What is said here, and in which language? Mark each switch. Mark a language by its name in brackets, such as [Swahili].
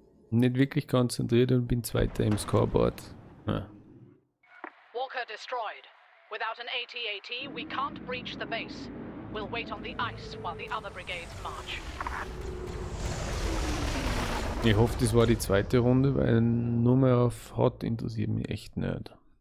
[German] Nicht wirklich konzentriert und bin Zweiter im Scoreboard. Ja. [English] Walker destroyed. Without an AT-AT, we can't breach the base. We'll wait on the ice while the other brigades march. [German] Ich hoffe, das war die zweite Runde, weil nur mehr auf Hot interessiert mich echt nicht.